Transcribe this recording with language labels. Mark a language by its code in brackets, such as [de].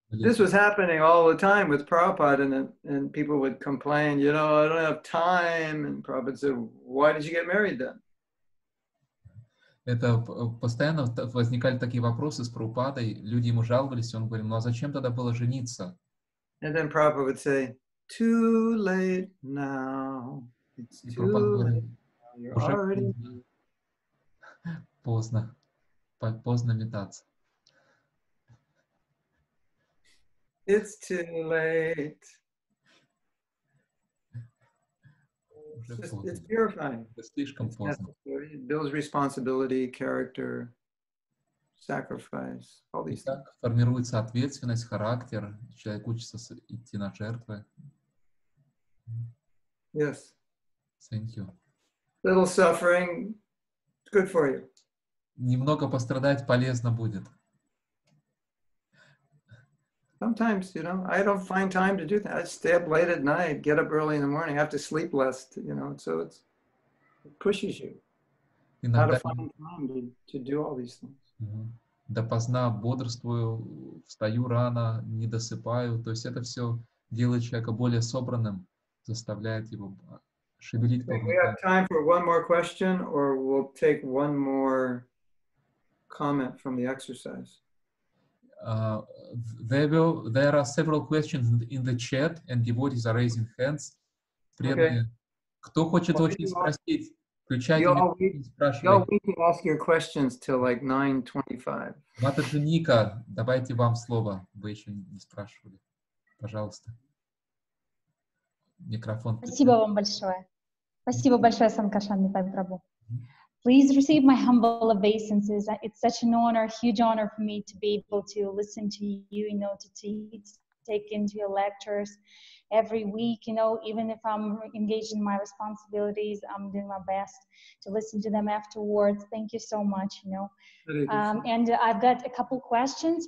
[en] This was happening all the time with Prabhupada, and people would complain, you know, I don't have time. And Prabhupada said, why did you get married then? [ru] Это постоянно возникали такие вопросы с Прабхупадой. Люди ему жаловались, он говорил, ну а зачем тогда было жениться? [en] And then Prabhupada would say, too late now. It's too late. You're already... [ru] Поздно метаться. [en] It's too late. It's purifying. It builds responsibility, character, sacrifice, all these things. [ru] Так формируется ответственность, характер. Человек учится идти на жертвы. [en] Yes. Thank you. Little suffering, good for you. [ru] Немного пострадать полезно будет. [en] Sometimes, you know, I don't find time to do that. I stay up late at night, get up early in the morning, I have to sleep less, you know, so it pushes you. [ru] Иногда... [en] How to find time to do all these things. Mm-hmm. [ru] допоздна бодрствую, встаю рано, не досыпаю. То есть это все делает человека более собранным, заставляет его шевелить. [en] Okay, we have time for one more question, or we'll take one more comment from the exercise. There are several questions in the chat, and devotees are raising hands. Okay. [ru] Кто хочет очень спросить? [en] We can ask your questions till like 9:25. [ru] Мата Джуника, давайте вам слово. Вы еще не спрашивали. Пожалуйста. Микрофон. Спасибо вам большое. Спасибо большое, Санкашан Митай Прабу. [en] Please receive my humble obeisances. It's such an honor, huge honor for me to be able to listen to you, you know, to teach, take into your lectures every week, you know, even if I'm engaged in my responsibilities, I'm doing my best to listen to them afterwards. Thank you so much, you know. And I've got a couple questions.